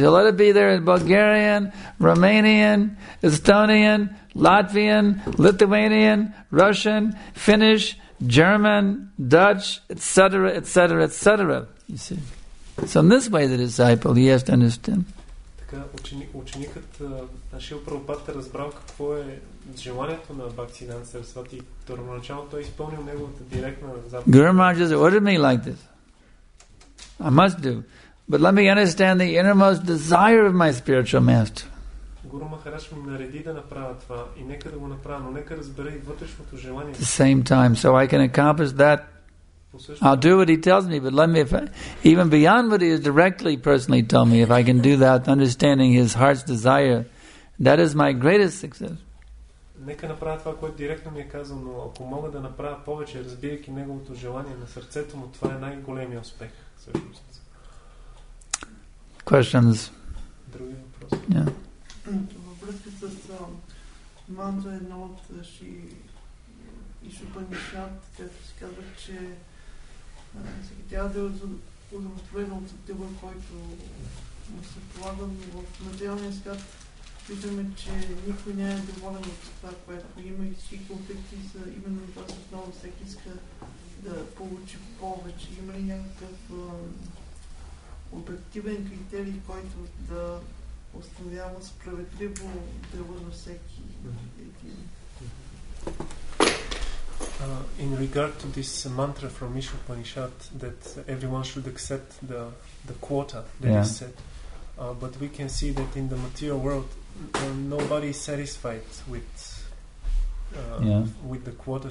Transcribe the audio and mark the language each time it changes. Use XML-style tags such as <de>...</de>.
<en>So let it be there in Bulgarian, Romanian, Estonian, Latvian, Lithuanian, Russian, Finnish, German, Dutch, etc., etc., etc. You see. So in this way the disciple, he has to understand.</en> <bg>Така, ученикът нашия Прабхупада разбрал какво е желанието на Бхактисиддханта Сарасвати. Първоначално той изпълнил неговата директна заповед.</bg> <en>Guru Maharaj has ordered me like this. I must do. But let me understand the innermost desire of my spiritual master.</en> <bg>Guru Maharaj ми нареди да направя това и нека да го направя, но нека разбера и вътрешното желание.</bg> <en>The same time, so I can accomplish that. I'll do what he tells me, but let me, even beyond what he has directly personally told me, if I can do that, understanding his heart's desire, that is my greatest success.</en> <bg>Нека направя това, което директно ми е казано, но ако мога да направя повече, разбирайки неговото желание на сърцето му, това е най-големият успех.</bg> <en>Questions?</en> <bg>Други въпроси?</bg> <en>Yeah.</en> <bg>Във връзка с мантра едно от и Шупанишат, като си казах, че всеки трябва да е удовлетворен от тъбър, който му се полага, но в материалния свят виждаме, че никой не е доволен от това, което има и всички конфликти са именно това с основа, всеки иска да получи повече. Има ли някакъв обективен критерий, който да установява справедливо дело на всеки един?</bg> <en>In regard to this mantra from Isha Upanishad that everyone should accept the quota that is set, but we can see that in the material world nobody is satisfied with the quota.</en>